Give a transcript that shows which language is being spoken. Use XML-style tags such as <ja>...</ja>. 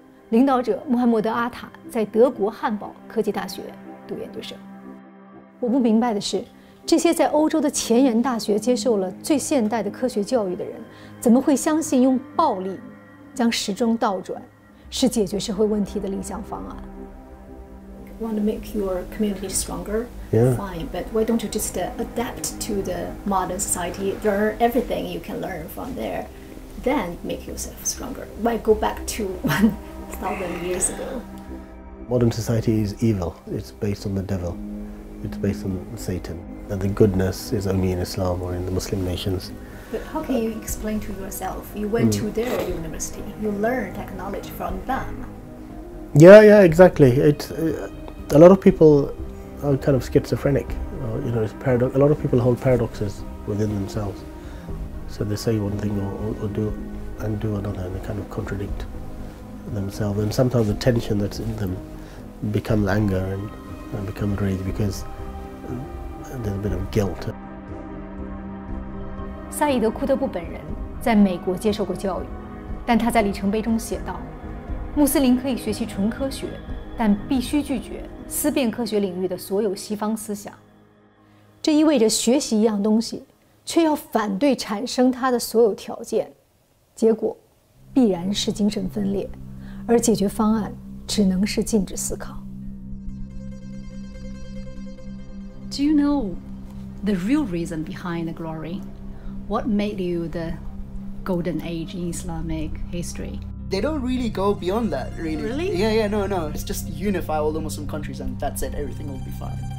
<zh>领导者穆罕默德·阿塔在德国汉堡科技大学读研究生。我不明白的是，这些在欧洲的前沿大学接受了最现代的科学教育的人，怎么会相信用暴力将时钟倒转是解决社会问题的理想方案？</zh> <en>Want to make your community stronger? Yeah. Fine, but why don't you just adapt to the modern society? There are everything you can learn from there. Then make yourself stronger. Why go back to one? 1,000 years ago. Modern society is evil. It's based on the devil. It's based on Satan. And the goodness is only in Islam or in the Muslim nations. But how can you explain to yourself? You went to their university. You learned technology from them. Yeah, yeah, exactly. A lot of people are kind of schizophrenic. You know, it's paradox. A lot of people hold paradoxes within themselves. So they say one thing or do another, and they kind of contradict. themselves, and sometimes the tension that's in them becomes anger and becomes rage because there's a bit of guilt.</en> <zh>萨义德·库特布本人在美国接受过教育，但他在里程碑中写道：“穆斯林可以学习纯科学，但必须拒绝思辨科学领域的所有西方思想。这意味着学习一样东西，却要反对产生它的所有条件，结果必然是精神分裂。” 而解决方案只能是禁止思考。</zh> <en>Do you know the real reason behind the glory? What made you the golden age in Islamic history? They don't really go beyond that, really. Really? Yeah, yeah, no. It's just unify all the Muslim countries and that's it, everything will be fine.</en>